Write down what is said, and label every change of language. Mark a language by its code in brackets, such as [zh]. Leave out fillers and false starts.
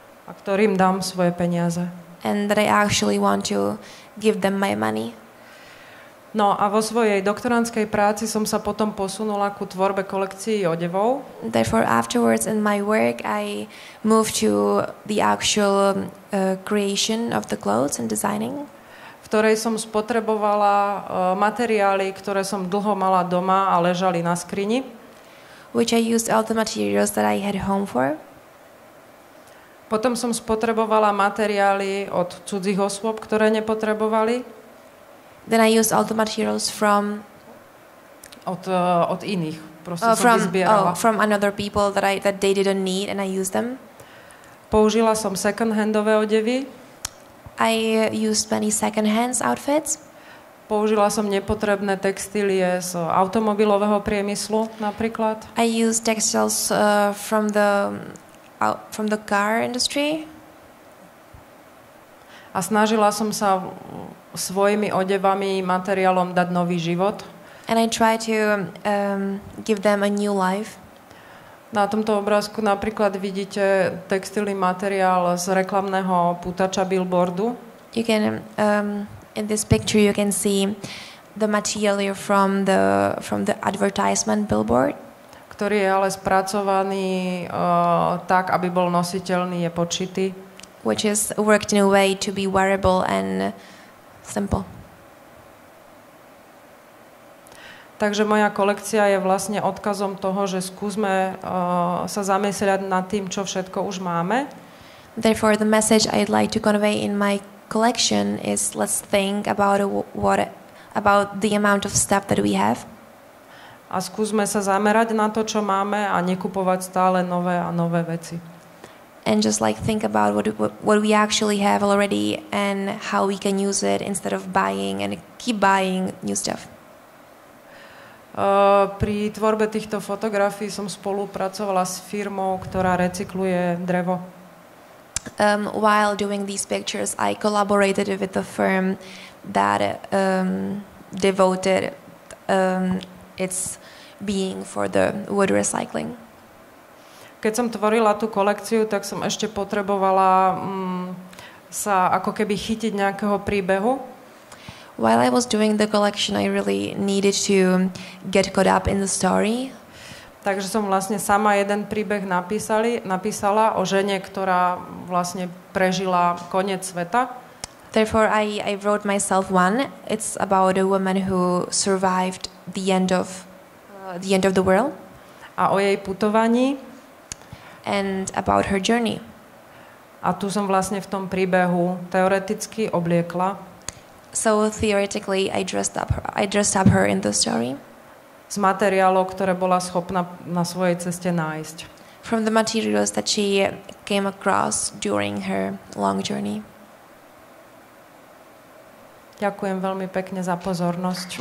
[sk] A ktorým dám svoje peniaze. [en] And that I actually want to give them my money. [sk] No a vo svojej doktorandskej práci som sa potom posunula ku tvorbe kolekcií odevov. [en] Therefore afterwards in my work I moved to the actual creation of the clothes and designing. [sk] V ktorej som spotrebovala materiály, ktoré som dlho mala doma a ležali na skrini. [en] Which I used all the materials that I had home for. [sk] Potom som spotrebovala materiály od cudzích osôb, ktoré nepotrebovali. [en] Then I used all the materials from [sk] od iných. Proste som from, vyzbierala. [en] From another people that they didn't need and I used them. [sk] Použila som second-handové odevy. [en] I used many second-hand outfits. [sk] Použila som nepotrebné textílie z automobilového priemyslu napríklad. [en] I used textiles from the car industry. [sk] A snažila som sa svojimi odevami, materiálom dať nový život. [en] And I try to give them a new life. [sk] Na tomto obrázku napríklad vidíte textilný materiál z reklamného pútača billboardu. [en] You can in this picture you can see the material from the advertisement billboard, [sk] ktorý je ale spracovaný tak, aby bol nositeľný, je počitý. [en] Which is worked in a way to be wearable and simple. [sk] Takže moja kolekcia je vlastne odkazom toho, že skúsme sa zamyslieť nad tým, čo všetko už máme. [en] Therefore the message I'd like to convey in my collection is let's think about the amount of stuff that we have. [sk] A skúsme sa zamerať na to, čo máme a nekupovať stále nové a nové veci. [en] And just like think about what we actually have already and how we can use it instead of buying and keep buying new stuff. [sk] Pri tvorbe týchto fotografií som spolupracovala s firmou, ktorá recykluje drevo. [en] while doing these pictures, I collaborated with a firm that devoted its being for the wood recycling. [sk] Keď som tvorila tú kolekciu, tak som ešte potrebovala sa ako keby chytiť nejakého príbehu. [en] While I was doing the collection, I really needed to get caught up in the story. [sk] Takže som vlastne sama jeden príbeh napísala o žene, ktorá vlastne prežila koniec sveta. [en] Therefore I wrote myself one. It's about a woman who survived the end of the world. [sk] A o jej putovaní. [en] And about her journey. [sk] A tu som vlastne v tom príbehu teoreticky obliekla. [en] So theoretically I dressed up her in the story. [sk] Z materiálov, ktoré bola schopná na svojej ceste nájsť. [en] From the materials that she came across during her long journey. [sk] Ďakujem veľmi pekne za pozornosť.